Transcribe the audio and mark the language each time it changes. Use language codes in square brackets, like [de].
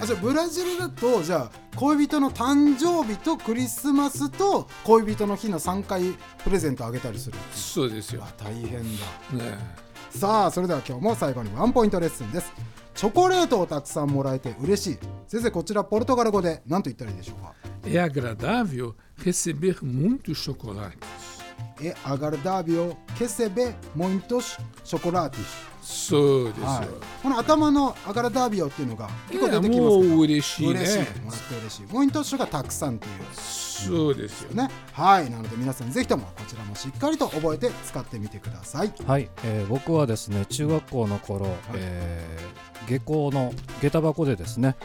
[ja] あ、じゃあブラジルだとじゃあ恋人の誕生日とクリスマスと恋人の日の3回プレゼントあげたりする。そうですよ。わ、大変だ、ね。さあそれでは今日も最後にワンポイントレッスンです。チョコレートをたくさんもらえて嬉しい。先生こちらポルトガル語で何と言ったらいいでしょうか。 [pt] É agradável receber muito chocolate. É agradável receber muito chocolate. [ja] そうですよ、はい、この頭のアガラダービオっていうのが結構出てきますか。もう嬉しいね。嬉しい、もらって嬉しい。モイントッシュがたくさんという、そうですよね。はい、なので皆さんぜひともこちらもしっかりと覚えて使ってみてください。はい、僕はですね中学校の頃、はい、下校の下駄箱でですね、